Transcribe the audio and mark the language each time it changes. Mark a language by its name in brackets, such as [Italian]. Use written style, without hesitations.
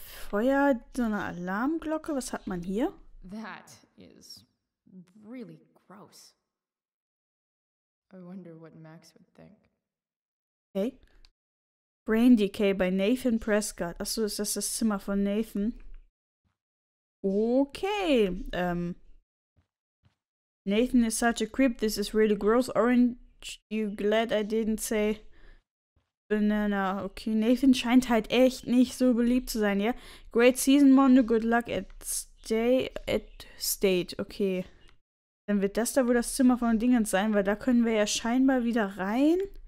[German] Feuer, so eine Alarmglocke, was hat man hier? [English] That is really gross. I wonder what Max would think. Okay. Brain Decay by Nathan Prescott. [German] Achso, ist das das Zimmer von Nathan? Okay. [English] Nathan is such a creep, this is really gross. Orange, you glad I didn't say... Banana, okay. [German] Nathan scheint halt echt nicht so beliebt zu sein, ja? [English] Great season, Mondo. Good luck at stay at state. Okay. [German] Dann wird das da wohl das Zimmer von Dingens sein, weil da können wir ja scheinbar wieder rein.